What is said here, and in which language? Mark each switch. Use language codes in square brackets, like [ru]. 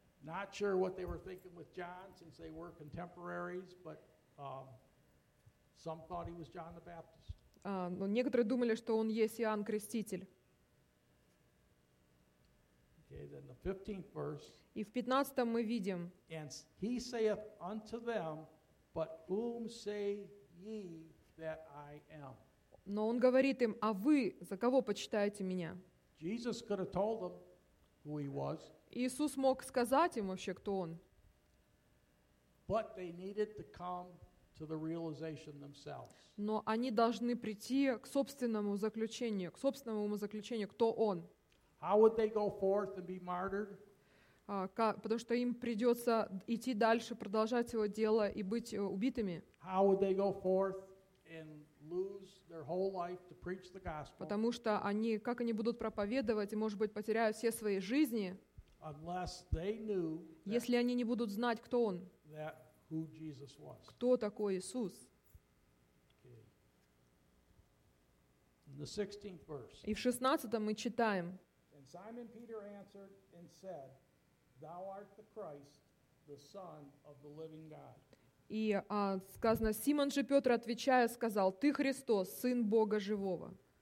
[en] Not sure what they were thinking with John, since they were contemporaries, but some thought he was John the Baptist. [ru] Но некоторые думали, что он есть Иоанн Креститель. [en] Okay, then the 15th verse. [ru] И в 15-м мы видим. [en] And he saith unto them, but whom say ye that I am? [ru] Но он говорит им, а вы за кого почитаете меня? [en] Jesus could have told them who he was. [ru] Иисус мог сказать им вообще, кто Он. [en] But they needed to come to the realization themselves. [ru] Но они должны прийти к собственному заключению, кто Он. [en] How would they go forth and be martyred? [ru] Потому что им придется идти дальше, продолжать его дело и быть убитыми. [en] How would they go forth and lose their whole life to preach the gospel? [ru] Потому что они, как они будут проповедовать и, может быть, потеряют все свои жизни, [en] unless they knew that, [ru] если они не будут знать, кто он, [en] that who Jesus was. [ru] Кто такой Иисус. [en] Okay. In the 16th verse. [ru] И в 16-м мы читаем. [en] And Simon Peter answered and said, thou art the Christ, the Son of the living God. [ru] И сказано, Симон же Петр, отвечая, сказал, ты Христос, Сын Бога Живого.